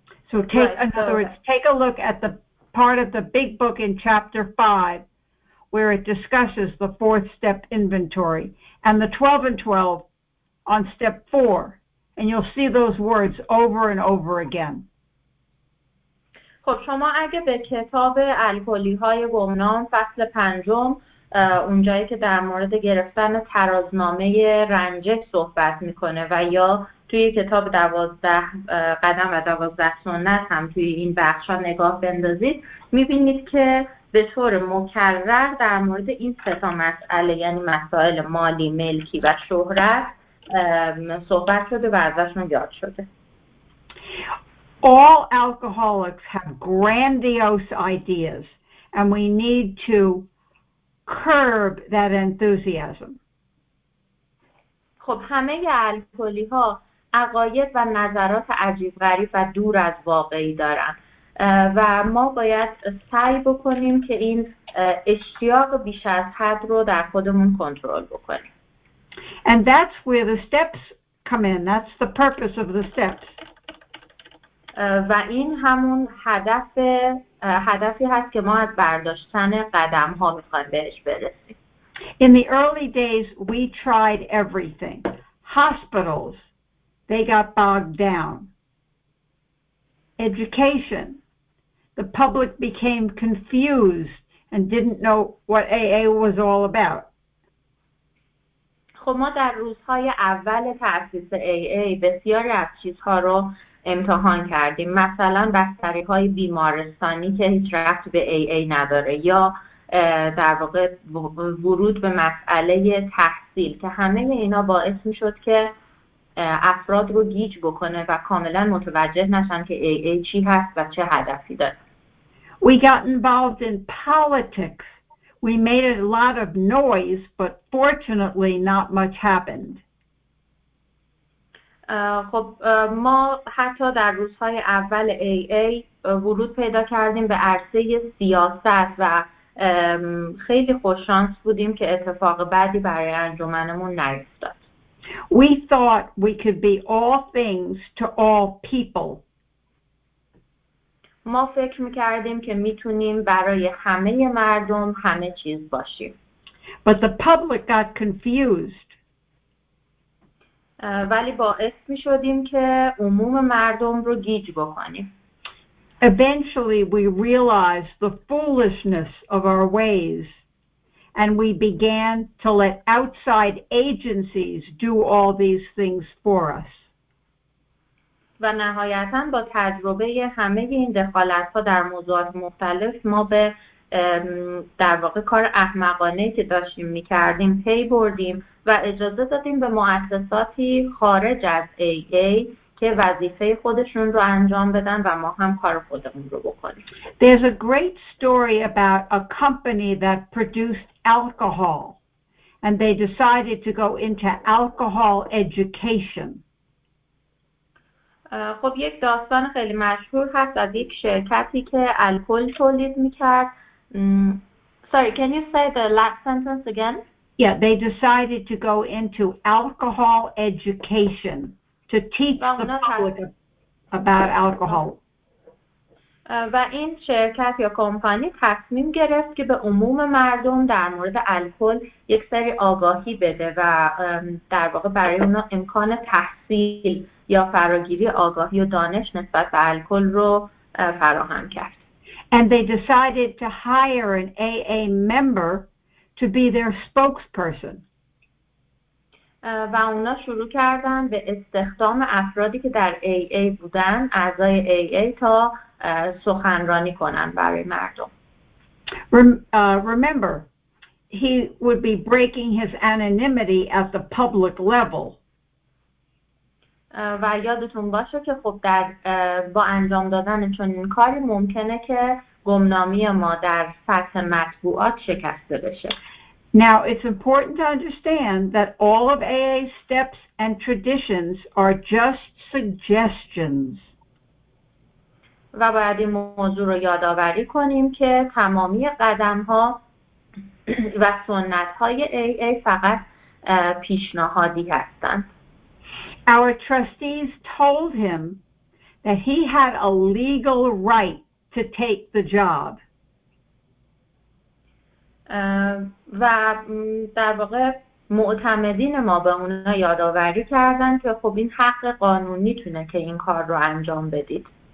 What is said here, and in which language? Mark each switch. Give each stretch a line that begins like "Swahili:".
English: So take, right. Take a look at the part of the big book in chapter 5. Where it discusses the fourth step inventory and the 12 and 12 on step 4. And you'll see those words over and over again.
Persian: خب شما اگه به کتاب الکلی های گمنام فصل پنجم اونجایی که در مورد گرفتن ترازنامه رنجش صحبت میکنه و یا توی کتاب 12 قدم و 12 سنت هم توی این بخش ها نگاه بندازید میبینید که به طور مکرر در مورد این ستا مسئله، یعنی مسائل مالی، ملکی و شهرت صحبت شده و ازشون یاد شده.
English: All alcoholics have grandiose ideas and we need to curb that enthusiasm.
Persian: خب همه الکلی ها عقاید و نظرات عجیب غریب و دور از واقعی دارن و ما باید سعی بکنیم که این اشتیاق بیش از حد رو در خودمون کنترل بکنیم.
English: And that's where the steps come in. That's the purpose of the steps.
Persian: و این همون هدفی هست که ما از برداشتن قدم ها میخوایم بهش برسیم.
English: In the early days we tried everything. Hospitals, they got bogged down. Education, the public became confused and didn't know what AA was all about.
Persian: خب ما در روزهای اول تأسیس AA بسیاری از چیزها رو امتحان کردیم. مثلا بستری‌های بیمارستانی که هیچ ربط به AA نداره یا در واقع ورود به مسئله تحصیل که همه اینا باعث می‌شد که افراد رو گیج بکنه و کاملا متوجه نشن که AA چی هست و چه هدفی داره.
English: We got involved in politics. We made a lot of noise, but fortunately not much happened.
Persian: خب ما حتی در روزهای اول AA ورود پیدا کردیم به عرصه سیاست و خیلی خوششانس بودیم که اتفاق بعدی برای انجمنمون نیفتاد.
English: We thought we could be all things to all people.
Persian: ما فکر میکردیم که میتونیم برای همه مردم همه چیز باشیم.
English: But the public got confused.
Persian: ولی باعث میشدیم که عموم مردم رو گیج بکنیم.
English: Eventually we realized the foolishness of our ways and we began to let outside agencies do all these things for us.
Persian: و نهایتاً با تجربه همه این دخالت‌ها در موضوعات مختلف ما به در واقع کار احمقانه‌ای که داشتیم می‌کردیم پی بردیم و اجازه دادیم به مؤسساتی خارج از AA که وظیفه خودشون رو انجام بدن و ما هم کار خودمون رو بکنیم.
English: There's a great story about a company that produced alcohol and they decided to go into alcohol education.
Persian: خب یک داستان خیلی مشهور هست از یک شرکتی که الکل تولید میکرد.
English: Sorry, can you say the last sentence again? Yeah, they decided to go into alcohol education to teach the public about alcohol.
Persian: و این شرکت یا کمپانی تصمیم گرفت که به عموم مردم در مورد الکل یک سری آگاهی بده و در واقع برای اونا امکان تحصیل یا فراگیری آگاهی و دانش نسبت به الکل رو فراهم کرد.
English: And they decided to hire an AA member to be their spokesperson.
Persian: و اونا شروع کردن به استخدام افرادی که در AA بودن، اعضای AA تا سخنرانی کنن برای مردم.
English: Remember, he would be breaking his anonymity at the public level.
Persian: و یادتون باشه که خب در با انجام دادن چنین کاری ممکنه که گمنامی ما در سطح مطبوعات شکسته بشه.
English: Now it's important to understand that all of AA steps and traditions are just suggestions.
Persian: و باید این موضوع رو یادآوری کنیم که تمامی قدم‌ها و سنت‌های AA فقط پیشنهادی هستند.
English: Our trustees told him that he had a legal right to take the job.
Persian: و در واقع معتمدین ما به اونا یادآوری کردن که خب این حق قانونی تونه که این کار رو انجام بدید.